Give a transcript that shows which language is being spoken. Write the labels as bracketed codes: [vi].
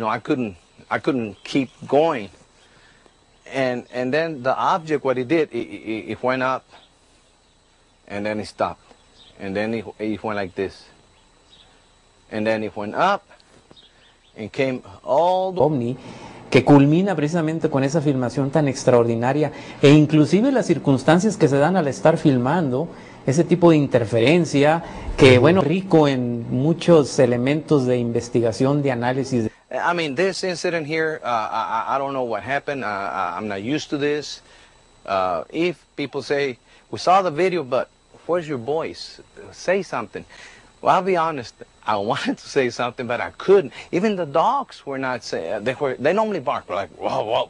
[en] You know, I couldn't keep going. And then the object, what it did, it went up, and then it stopped. And then it went like this. And then it went up and came all the [es] OVNI, que culmina precisamente con esa filmación tan extraordinaria e inclusive las circunstancias que se dan al estar filmando, ese tipo de interferencia que, bueno, rico en muchos elementos de investigación, de análisis. [en] I mean, this incident here, I don't know what happened. I'm not used to this. If people say, we saw the video, but where's your voice? Say something. Well, I'll be honest, I wanted to say something, but I couldn't. Even the dogs were not saying, they normally bark, like, whoa, whoa.